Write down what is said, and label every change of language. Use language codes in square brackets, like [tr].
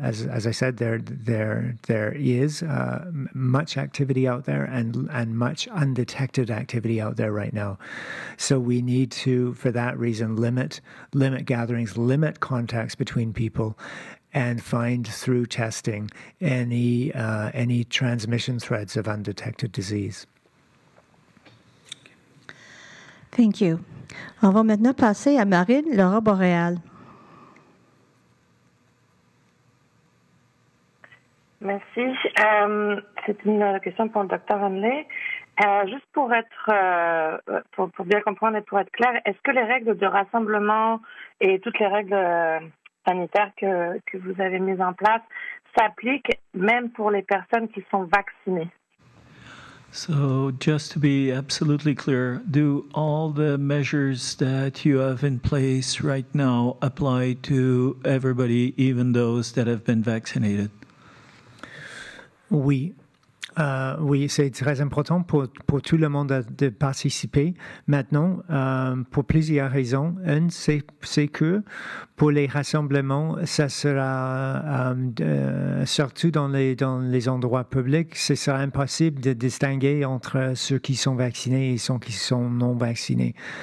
[en] As I said, there is much activity out there and much undetected activity out there right now. So we need to, for that reason, limit gatherings, limit contacts between people, and find through testing any transmission threads of undetected disease. Thank you. [fr] On va maintenant passer à Marine Laura Boréal. Merci. C'est une question pour le docteur Hanley. Juste pour être pour bien comprendre et pour être clair, est-ce que les règles de rassemblement et toutes les règles sanitaires que vous avez mises en place s'appliquent même pour les personnes qui sont vaccinées? [en] So just to be absolutely clear, do all the measures that you have in place right now apply to everybody, even those that have been vaccinated? [fr] Oui. Oui, c'est très important pour tout le monde de participer. Maintenant, pour plusieurs raisons, une, c'est que pour les rassemblements, ça sera surtout dans les endroits publics, ce sera impossible de distinguer entre ceux qui sont vaccinés et ceux qui sont non vaccinés.